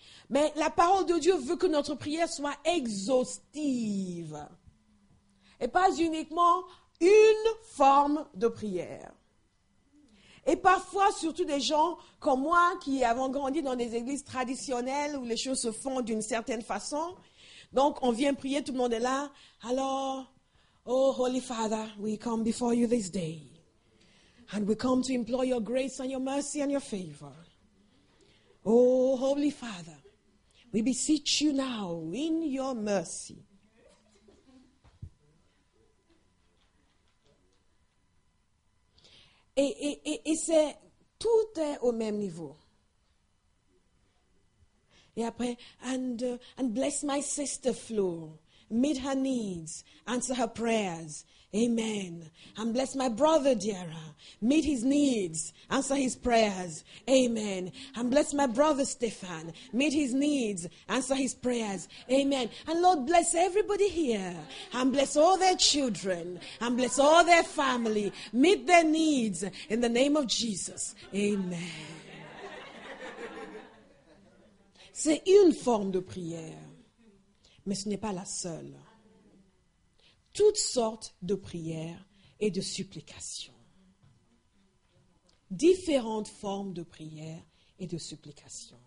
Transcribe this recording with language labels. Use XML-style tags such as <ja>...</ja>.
<fr>Mais la parole de Dieu veut que notre prière soit exhaustive. Et pas uniquement une forme de prière. Et parfois, surtout des gens comme moi qui avons grandi dans des églises traditionnelles où les choses se font d'une certaine façon. Donc, on vient prier, tout le monde est là.</fr> <en>Alors, oh Holy Father, we come before you this day. And we come to implore your grace and your mercy and your favor. Oh Holy Father, we beseech you now in your mercy.</en> <fr>Et c'est, tout est au même niveau. Et après,</fr> <en>and bless my sister Flo, meet her needs, answer her prayers, amen. And bless my brother Diarra, meet his needs, answer his prayers, amen. And bless my brother Stefan, meet his needs, answer his prayers, amen. And Lord, bless everybody here, and bless all their children, and bless all their family, meet their needs, in the name of Jesus, amen.</en> <fr>C'est une forme de prière, mais ce n'est pas la seule. Toutes sortes de prières et de supplications. Différentes formes de prières et de supplications.</fr>